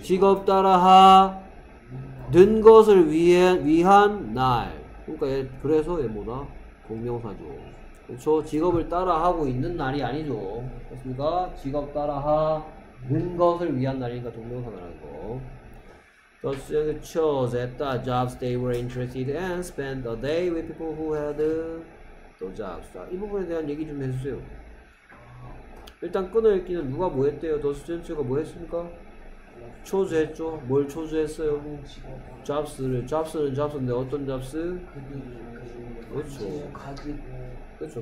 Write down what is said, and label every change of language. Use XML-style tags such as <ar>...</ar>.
<ko>직업 따라하 는 것을 위한 날. 그러니까 얘, 그래서 얘 뭐다? 동명사죠. 그렇죠? 직업을 따라하고 있는 날이 아니죠. 그렇습니까? 직업 따라하 는 것을 위한 날이니까 동명사라는 거.</ko> <en>The students chose the jobs they were interested in and spent a day with people who had the jobs.</en> <ko>자, 이 부분에 대한 얘기 좀 해주세요. 일단 끊어 읽기는 누가 뭐 했대요? The students가 뭐 했습니까? 초조했죠. 뭘 초조했어요? 잡스를. 잡스는 잡스인데 어떤 잡스? 그렇죠. 그렇죠.</ko>